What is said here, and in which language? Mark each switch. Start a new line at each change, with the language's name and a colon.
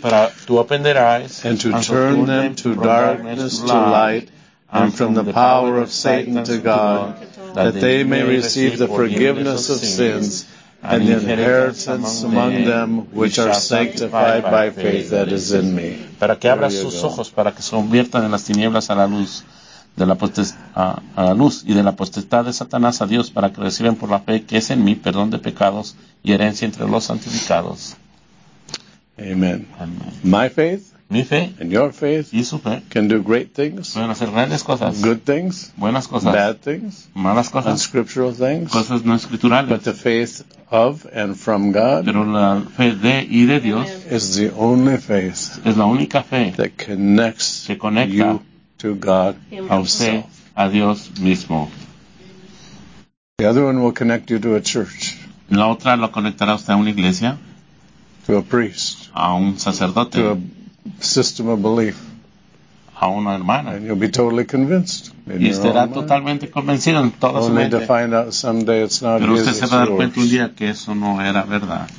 Spanish: Para
English: to open their eyes and to turn them to darkness to light and from the power of Satan to God, that they may receive the forgiveness of sins and the inheritance among them which are sanctified by faith that is in me.
Spanish: Para que abra sus ojos, para que se conviertan de las tinieblas a la luz, de la a la luz y de la potestad de Satanás a Dios, para que reciban por la fe que es en mí perdón de pecados y herencia entre los santificados.
English: Amen.
Spanish: Amen.
English: My faith,
Spanish: mi fe,
English: and your faith,
Spanish: y su fe,
English: can do great things,
Spanish: pueden hacer grandes cosas,
English: good things,
Spanish: buenas cosas,
English: bad things,
Spanish: malas cosas,
English: unscriptural things,
Spanish: cosas no escriturales,
English: but the faith of and from God,
Spanish: pero la fe de y de Dios,
English: is the only faith,
Spanish: es la única fe,
English: that connects,
Spanish: que conecta,
English: you to God,
Spanish: a usted, a Dios mismo.
English: The other one will connect you to a church,
Spanish: la otra lo conectará usted a una iglesia,
English: to a priest,
Spanish: a un sacerdote,
English: to a system of belief,
Spanish: a una hermana.
English: And you'll be totally convinced.
Spanish: Y estará totalmente convencido en toda su mente. Pero usted se va a dar cuenta un día que eso no era verdad.